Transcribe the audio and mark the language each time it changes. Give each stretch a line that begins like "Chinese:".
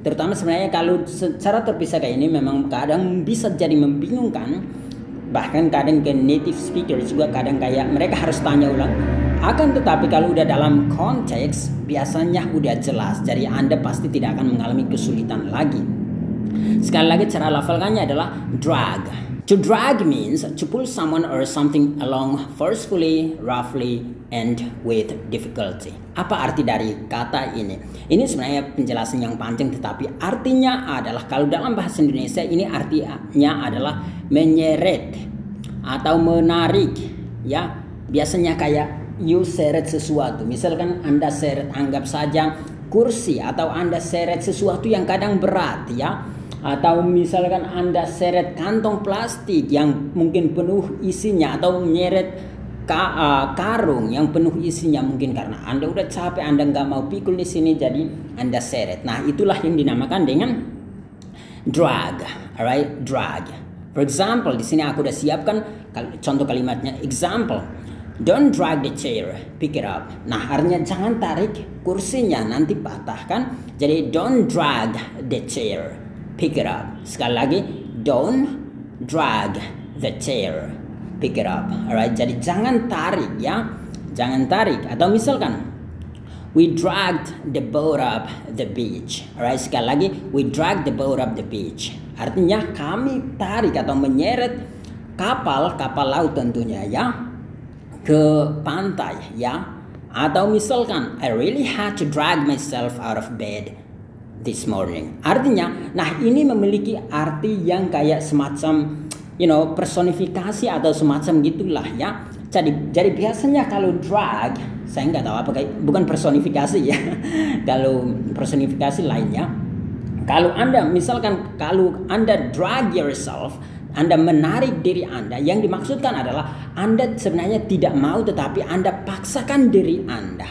Indonesian: Terutama sebenarnya kalau secara terpisah kayak ini memang kadang bisa jadi membingungkan. Bahkan kadang ke native speaker juga kadang kayak mereka harus tanya ulang. Akan tetapi kalau udah dalam konteks, biasanya udah jelas. Jadi Anda pasti tidak akan mengalami kesulitan lagi. Sekali lagi cara lafalkannya adalah drag.
English: To drag means to pull someone or something along forcefully, roughly, and with difficulty.
Indonesian: Apa arti dari kata ini? Ini sebenarnya penjelasan yang panjang, tetapi artinya adalah kalau dalam bahasa Indonesia ini artinya adalah menyeret atau menarik ya. Biasanya kayak you seret sesuatu. Misalkan Anda seret, anggap saja kursi, atau Anda seret sesuatu yang kadang berat ya. Atau misalkan Anda seret kantong plastik yang mungkin penuh isinya, atau menyeret karung yang penuh isinya mungkin karena Anda udah capek, Anda nggak mau pikul di sini, jadi Anda seret. Nah, itulah yang dinamakan dengan drag. Alright, drag.
English: For example,
Indonesian: di sini aku udah siapkan contoh kalimatnya.
English: Example, don't drag the chair, pick it up.
Indonesian: Nah, artinya jangan tarik kursinya, nanti patah kan. Jadi
English: don't drag the chair, pick it up.
Indonesian: Sekali lagi,
English: don't drag the chair, pick it up.
Indonesian: Alright, jadi jangan tarik ya, jangan tarik. Atau misalkan,
English: we dragged the boat up the beach. Alright,
Indonesian: sekali lagi,
English: we dragged the boat up the beach.
Indonesian: Artinya kami tarik atau menyeret kapal laut tentunya ya ke pantai ya. Atau misalkan,
English: I really had to drag myself out of bed this morning.
Indonesian: Artinya, nah ini memiliki arti yang kayak semacam,
English: you know,
Indonesian: personifikasi atau semacam gitulah ya. Jadi biasanya kalau drag, saya nggak tahu apa, bukan personifikasi ya. Kalau personifikasi lainnya, kalau Anda, misalkan kalau Anda
English: drag yourself,
Indonesian: Anda menarik diri Anda, yang dimaksudkan adalah Anda sebenarnya tidak mau tetapi Anda paksakan diri Anda.